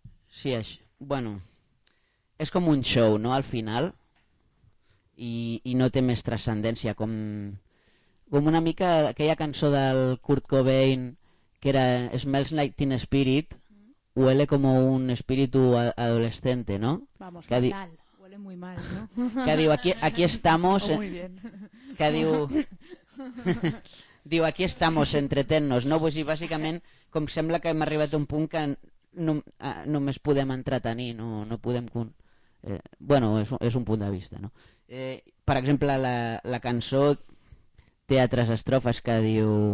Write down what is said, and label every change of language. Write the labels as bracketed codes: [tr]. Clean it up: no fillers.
[ca] Sí, bueno, és com un show, no? Al final, i no té més transcendència, com una mica aquella cançó del Kurt Cobain que era Smells Like Teen Spirit, [es] huele como un espíritu adolescente, ¿no? Vamos, que fatal, huele muy mal, ¿no? [ca] Que diu, [es] aquí estamos... Oh, muy bien. [ca] Que diu... diu, [es] aquí estamos, entretennos, ¿no? [ca] Pues, i bàsicament, com sembla que hem arribat a un punt que només podem entretenir, no podem... bueno, és un punt de vista, no? Per exemple, la cançó té altres estrofes que diu...